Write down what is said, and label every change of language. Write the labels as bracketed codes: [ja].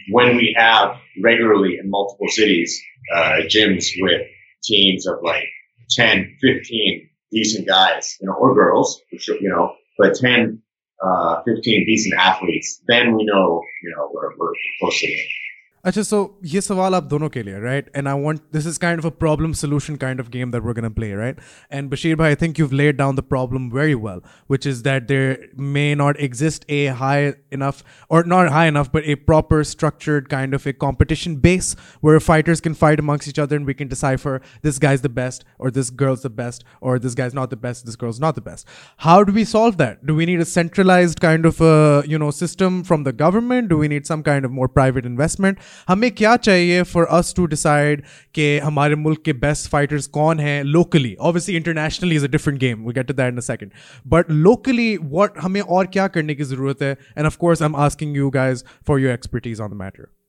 [en] When we have regularly in multiple cities, gyms with teams of like 10, 15 decent guys, you know, or girls, you know, but 10, 15 decent athletes, then we know, you know, we're close to it. [hi] अच्छा, so ये सवाल आप दोनों के लिए, right? [en] And I want, this is kind of a problem solution kind of game that we're going to play, right? And Bashir bhai, I think you've laid down the problem very well, which is that there may not exist a high enough, or not high enough, but a proper structured kind of a competition base where fighters can fight amongst each other and we can decipher this guy's the best, or this girl's the best, or this guy's not the best, this girl's not the best. How do we solve that? Do we need a centralized kind of a, you know, system from the government? Do we need some kind of more private investment? [hi] हमें क्या चाहिए [en] for us to decide [hi] कि हमारे मुल्क के best fighters कौन हैं locally? [en] obviously internationally is a different game, we get to that in a second, but locally what [hi] हमें और क्या करने की जरूरत है? [en] And of course I am asking you guys for your expertise on the matter.